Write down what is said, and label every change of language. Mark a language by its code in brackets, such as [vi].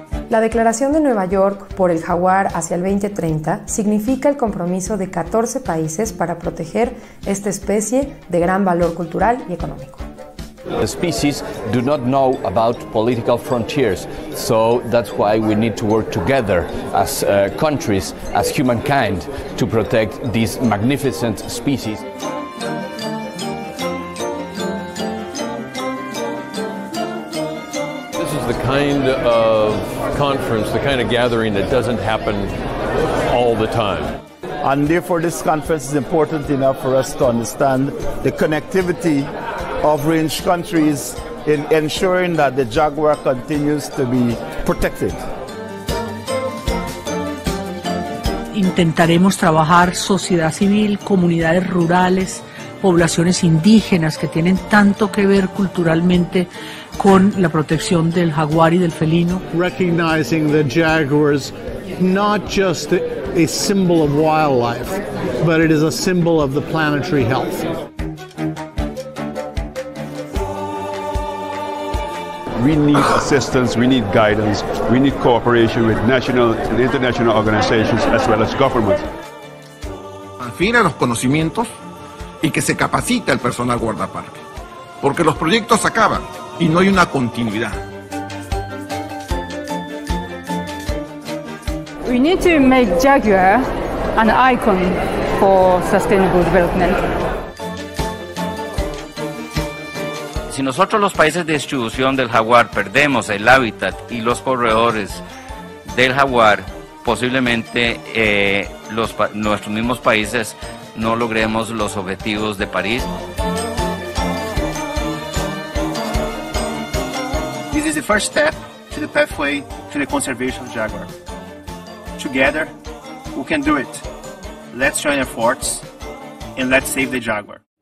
[es] La declaración de Nueva York por el jaguar hacia el 2030 significa el compromiso de 14 países para proteger esta especie de gran valor cultural y económico. [en] The species do not know about political frontiers, so that's why we need to work together as countries, as humankind, to protect this magnificent species. This is the kind of conference, the kind of gathering that doesn't happen all the time. And therefore this conference is important enough for us to understand the connectivity of range countries in ensuring that the jaguar continues to be protected. [es] Intentaremos trabajar sociedad civil, comunidades rurales, poblaciones indígenas que tienen tanto que ver culturalmente con la protección del jaguar y del felino. [en] Recognizing the jaguars not just a symbol of wildlife, but it is a symbol of the planetary health. We need assistance, we need guidance, we need cooperation with national and international organizations as well as governments. [es] Al fin a los conocimientos y que se capacite al personal guardaparque, porque los proyectos acaban y no hay una continuidad. [en] We need to make Jaguar an icon for sustainable development. [es] Si nosotros los países de distribución del jaguar perdemos el hábitat y los corredores del jaguar, posiblemente nuestros mismos países no logremos los objetivos de París. [en] This is the first step to the pathway to the conservation of jaguar. Together, we can do it. Let's join efforts and let's save the jaguar.